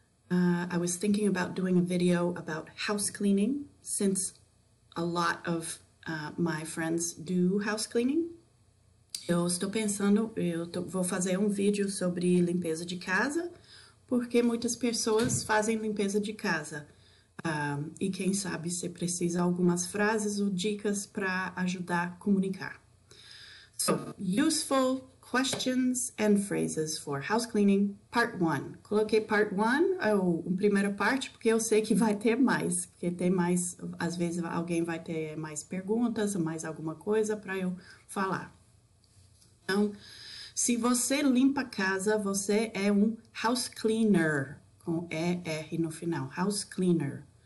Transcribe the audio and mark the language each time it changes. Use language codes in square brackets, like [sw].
[en] I was thinking about doing a video about house cleaning since a lot of my friends do house cleaning. [pt] Eu estou pensando, vou fazer vídeo sobre limpeza de casa, porque muitas pessoas fazem limpeza de casa. E quem sabe se precisa algumas frases ou dicas para ajudar a comunicar. [en] So, useful questions and phrases for house cleaning, part 1. [pt] Coloquei part 1, ou primeira parte, porque eu sei que vai ter mais, porque tem mais, às vezes alguém vai ter mais perguntas, mais alguma coisa para eu falar. Então, se você limpa a casa, você é um house cleaner, com ER no final, house cleaner.